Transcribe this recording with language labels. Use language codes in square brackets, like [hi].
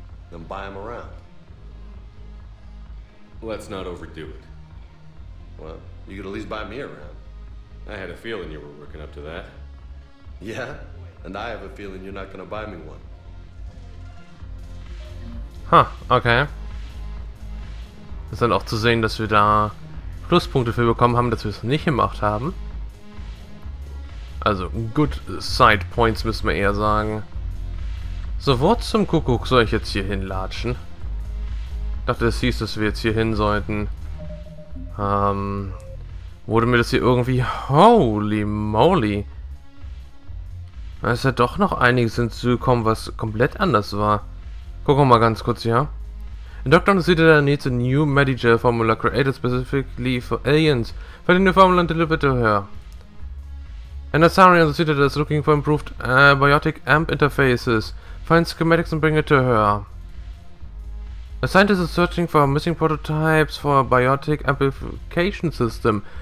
[en] Then buy him around. Let's not overdo it. Well, you could at least buy me around. I had a feeling you were working up to that. Yeah, and I have a feeling you're not gonna buy me one. Huh, okay. [de] Ist dann auch zu sehen, dass wir da Pluspunkte für bekommen haben, dass wir es nicht gemacht haben. Also, [en] good side points, [de] müssen wir eher sagen. So, wo zum Kuckuck soll ich jetzt hier hinlatschen? Ich dachte, es hieß, dass wir jetzt hier hin sollten. Wurde mir das hier irgendwie... [en] Holy moly! [de] Da ist ja doch noch einiges hinzugekommen, was komplett anders war. Gucken wir mal ganz kurz hier. [en] In Doctor Who City, there needs a new Medigel formula created specifically for aliens. Find the new formula and deliver it to her. An Asarian City that is looking for improved biotic amp interfaces. Find schematics and bring it to her. A scientist is searching for missing prototypes for a biotic amplification system.